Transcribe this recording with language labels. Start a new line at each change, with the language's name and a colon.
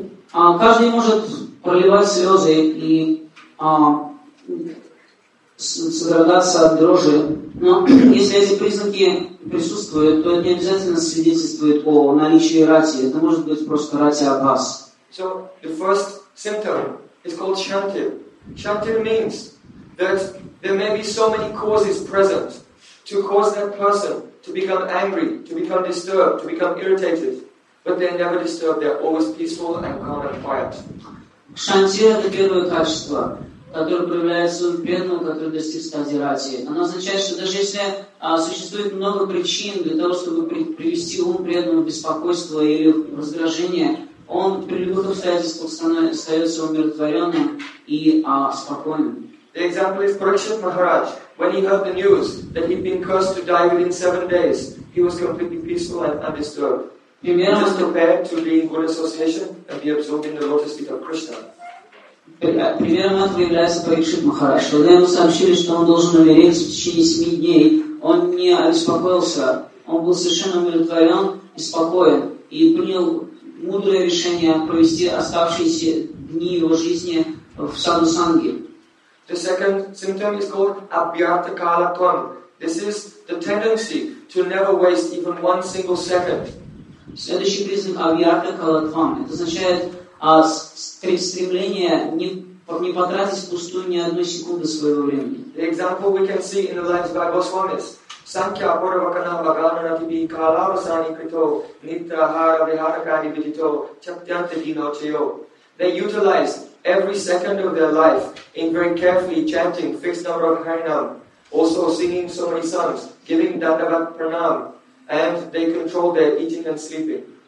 Russian: Каждый может проливать слезы и содрогаться от дрожи, но если эти признаки присутствуют, то это не обязательно свидетельствует о наличии рати. Это может быть просто рати абас.
English: So the first symptom is called shantir. Shantir means that there may be so many causes present to cause that person to become angry, to become disturbed, to become irritated, but they never disturb. They are always peaceful and calm and quiet.
Russian: Шантир — это первое качество. которая проявляется в бедном, который достиг стадии рати. Она означает, что даже если существует много причин для того, чтобы привести ум преданного в беспокойство или в раздражение, он при любых обстоятельствах остается умиротворенным и спокойным.
English: The example is Parikshit Maharaj. When he heard the news that he'd been cursed to die within 7 days, he was completely peaceful and undisturbed.
Russian: Примером,
English: just compared to being good association and be absorbed in the lotus feet of Krishna.
Russian: Примером этого является Парикшит Махарадж. Когда ему сообщили, что он должен умереть в течение 7 дней, он не обеспокоился. Он был совершенно умиротворен и спокоен. И принял мудрое решение провести оставшиеся дни его жизни в саду-санге.
English: The second symptom is called Abhyata Kalatvam. This is the tendency to never waste even one single second.
Russian: Следующий признак Абхьярта Калатвам. Это означает стремление не потратить впустую ни одной секунды своего времени.
English: The example we can see in the lives by Goswamis.
Sanskrit: Sankhya Purvakana Bhagavana Tibi Kala Rasani Krito Nitra Hara Vihara Kani Vidito Chaptyanta Dino Chayo.
English: They utilize every second of their life in very carefully chanting fixed number of Harinam, also singing so many songs, giving Dandavat Pranam, and they control their eating and sleeping.